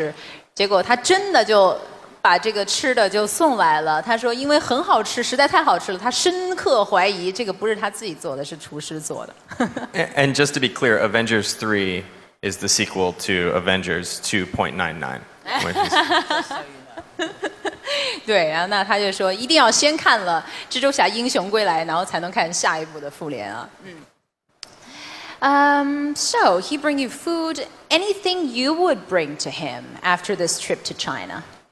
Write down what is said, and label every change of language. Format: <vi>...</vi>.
<zh>他说其实在片场是复联三的片场，那个他有一天很饿，拍了一整天的片子，到最后都还没有餐，没有盒饭，那他就给妮妮发了一条短信说我很饿，然后那个我听说你家里有个很好的厨师，能不能给我们弄点饭吃，结果他真的就 把这个吃的就送来了，他说因为很好吃，实在太好吃了，他深刻怀疑这个不是他自己做的，是厨师做的。And</zh> <en>just to be clear, Avengers 3 is the sequel to Avengers 2.99.</en> <zh>对，然后那他就说一定要先看了蜘蛛侠英雄归来，然后才能看下一部的复联啊。</zh> <en>So he bring you food. Anything you would bring to him after this trip to China?</en>